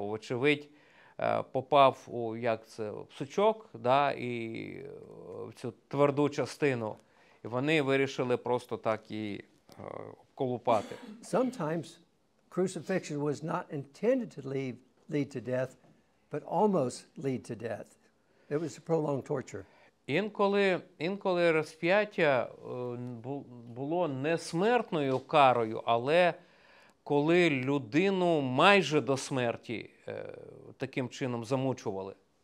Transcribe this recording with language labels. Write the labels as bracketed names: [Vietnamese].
[Ukrainian] Вочевидь, попав у, як це, сучок, да, і в цю тверду частину. І вони вирішили просто так її колупати. [English] Sometimes crucifixion was not intended to lead to death, but almost lead to death. It was a prolonged torture. [Ukrainian] Інколи розп'яття було не смертною карою, але коли людину майже до смерті таким чином замучували.